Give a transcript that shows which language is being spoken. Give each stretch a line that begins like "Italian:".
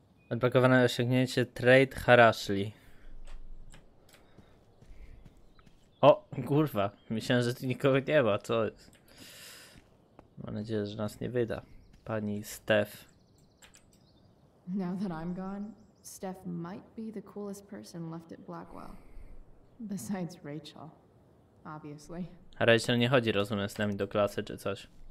Polish: Odblokowane osiągnięcie Trade Harashly. O, kurwa, myślałem, że tu nikogo nie ma, co jest? Mam nadzieję, że nas nie wyda. Pani Steph.
English: Now that I'm gone, Steph might be the coolest person left at Blackwell. Besides Rachel, obviously.
Polish: A Rachel nie chodzi, rozumiem, z nami do klasy czy coś.